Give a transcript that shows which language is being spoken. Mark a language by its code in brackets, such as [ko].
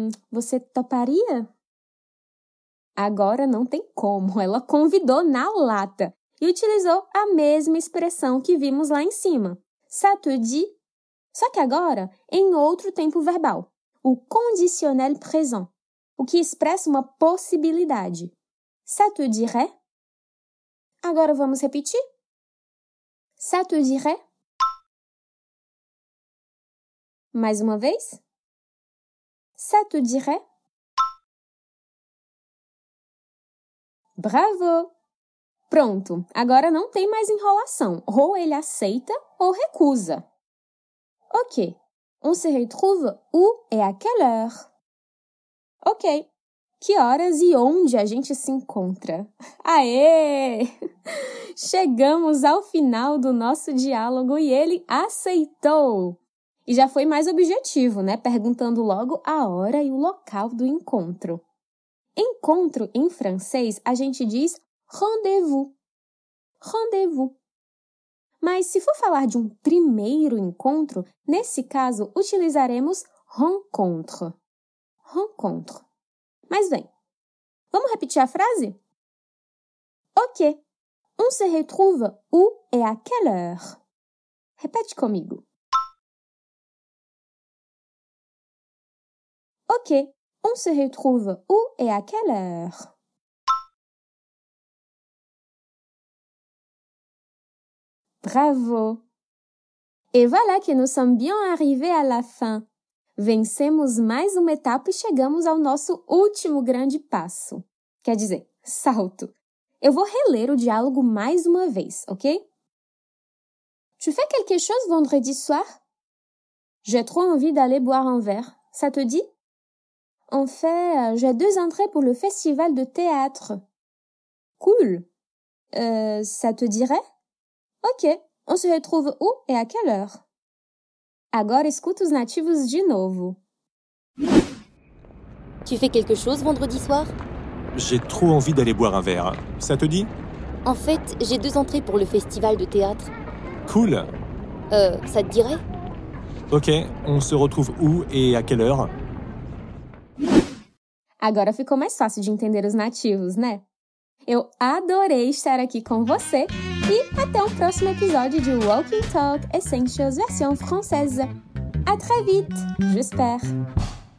[pt] Você toparia? Agora não tem como. Ela convidou na lata e utilizou a mesma expressão que vimos lá em cima. [fr] Ça te dit? [pt] Só que agora em outro tempo verbal. O conditionnel présent. O que expressa uma possibilidade. [fr] Ça te dirait? [pt] Agora vamos repetir. [fr] Ça te dirait? [pt] Mais uma vez? [fr] Ça te dirait? Bravo! [pt] Pronto, agora não tem mais enrolação. Ou ele aceita ou recusa. [fr] Ok, on se retrouve où et à quelle heure? [pt] Ok, que horas e onde a gente se encontra? Aê! Chegamos ao final do nosso diálogo e ele aceitou. E já foi mais objetivo, né? Perguntando logo a hora e o local do encontro. Encontro, em francês, a gente diz rendez-vous. Rendez-vous. Mas se for falar de um primeiro encontro, nesse caso, utilizaremos rencontre. Rencontre. Mas bem, vamos repetir a frase? Ok. [fr] On se retrouve où et à quelle heure? [pt] Repete comigo. [fr] Ok, on se retrouve où et à quelle heure? Bravo! Et voilà que nous sommes bien arrivés à la fin. [pt] Vencemos mais uma etapa e chegamos ao nosso último grande passo. Quer dizer, salto. Eu vou reler o diálogo mais uma vez, ok? [fr] Tu fais quelque chose vendredi soir? J'ai trop envie d'aller boire un verre. Ça te dit? En fait, j'ai deux entrées pour le festival de théâtre. Cool. Ça te dirait? Ok, on se retrouve où et à quelle heure? [pt] Agora escuta os nativos de novo. [fr] Tu fais quelque chose vendredi soir? J'ai trop envie d'aller boire un verre. Ça te dit? En fait, j'ai deux entrées pour le festival de théâtre. Cool. Ça te dirait? Ok, on se retrouve où et à quelle heure? [pt] Agora ficou mais fácil de entender os nativos, né? Eu adorei estar aqui com você e até o próximo episódio de Walking Talk Essentials versão francesa. [fr] À très vite, j'espère!